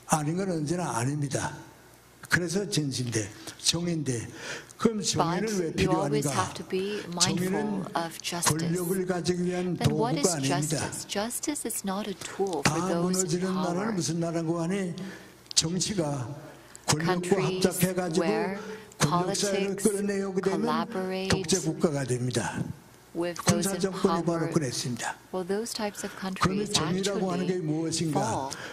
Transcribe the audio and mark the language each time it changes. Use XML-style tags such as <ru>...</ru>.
<ko>아닌 건 언제나 아닙니다. 그래서 진실인데, 정의인데, 그럼 정의는 왜 필요한가? 정의는 권력을 가지기 위한 도구가 아닙니다.</ko> <en>Justice is not a tool for those in power.</en> <ko>다 무너지는 나라는 무슨 나라고 하니 정치가 권력과 합작해가지고 권력사회를 끌어내오게 되면 독재국가가 됩니다. 군사정권이 바로 그랬습니다. 그럼 정의라고 하는 게 무엇인가?</ko>